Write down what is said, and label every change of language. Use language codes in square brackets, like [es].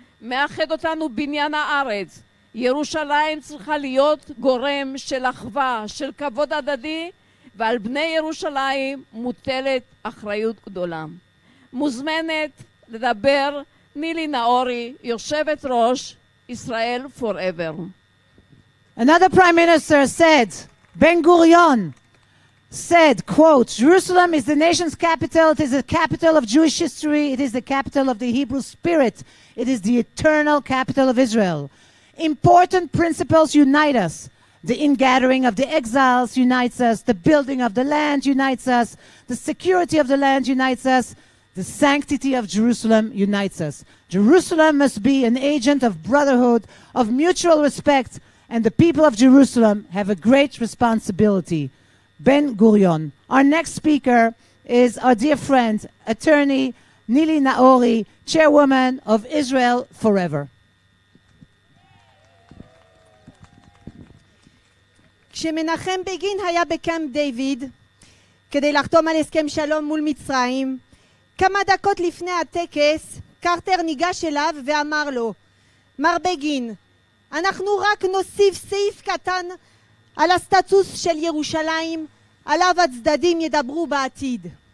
[he] מאחד אותנו בניין הארץ. ירושלים צריכה להיות גורם של אחווה, של כבוד הדדי, ועל בני ירושלים מוטלת אחריות גדולה. מוזמנת לדבר נילי נאורי, יושבת ראש ישראל פוראבר. [en] Another prime minister said, Ben Gurion said, quote, Jerusalem is the nation's capital, it is the capital of Jewish history, it is the capital of the Hebrew spirit, it is the eternal capital of Israel. Important principles unite us. The ingathering of the exiles unites us. The building of the land unites us. The security of the land unites us. The sanctity of Jerusalem unites us. Jerusalem must be an agent of brotherhood, of mutual respect, and the people of Jerusalem have a great responsibility. Ben Gurion. Our next speaker is our dear friend, attorney Nili Naori, chairwoman of Israel Forever. [he] כשמנחם בגין היה בקמפ דיוויד כדי לחתום על הסכם שלום מול מצרים, כמה דקות לפני הטקס, קרטר ניגש אליו ואמר לו, מר בגין, אנחנו רק נוסיף סעיף קטן על הסטטוס של ירושלים, עליו הצדדים ידברו בעתיד.